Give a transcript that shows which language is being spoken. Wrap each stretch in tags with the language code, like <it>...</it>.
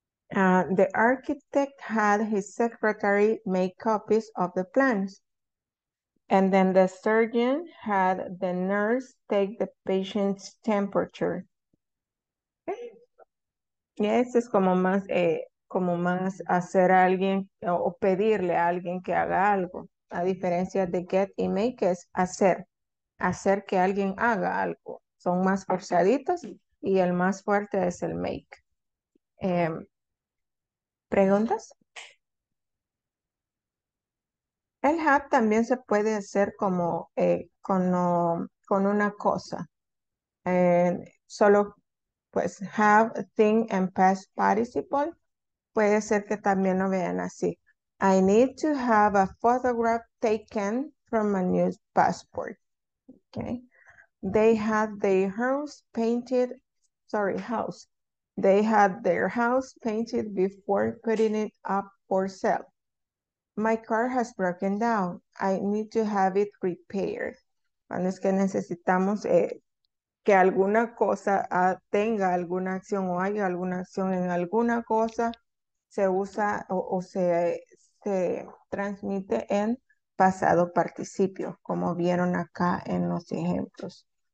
<en>The architect had his secretary make copies of the plans. And then the surgeon had the nurse take the patient's temperature. Okay.</en> <es>Y eso es como más hacer a alguien o pedirle a alguien que haga algo. A diferencia de get y make es hacer. Hacer que alguien haga algo. Son más forzaditos y el más fuerte es el make. ¿Preguntas? El have también se puede hacer como con una cosa. Solo pues</es> <en>have, thing, and past participle.</en> <es>Puede ser que también lo vean así.</es> <en>I need to have a photograph taken from a new passport. Okay. They had their house painted, sorry, house. They had their house painted before putting it up for sale. My car has broken down. I need to have it repaired.</en> <es>Cuando es que necesitamos que alguna cosa tenga alguna acción o haya alguna acción en alguna cosa, se usa o se transmite en pasado participio, como vieron acá en los ejemplos.</es>